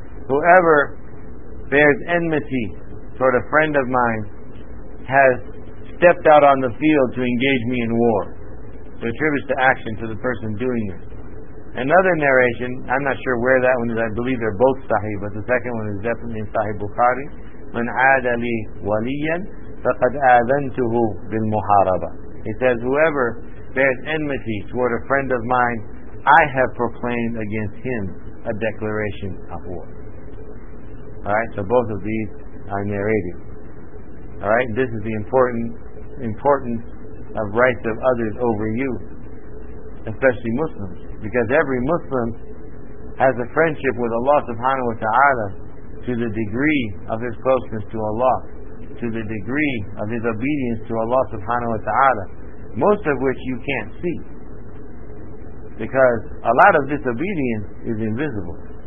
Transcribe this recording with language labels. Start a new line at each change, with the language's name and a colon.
English: Whoever bears enmity toward a friend of mine has stepped out on the field to engage me in war. So it attributes the action to the person doing it. Another narration, I'm not sure where that one is. I believe they're both Sahih, but the second one is definitely in Sahih Bukhari.
Arabic: من عاد لي وليا فقد آذنته بالمحاربة.
English: He says, whoever bears enmity toward a friend of mine, I have proclaimed against him a declaration of war. Alright, so both of these are narrated. Alright, this is the importance of rights of others over you, especially Muslims, because every Muslim has a friendship with Allah subhanahu wa ta'ala to the degree of his closeness to Allah, to the degree of his obedience to Allah subhanahu wa ta'ala, most of which you can't see, because a lot of disobedience is invisible.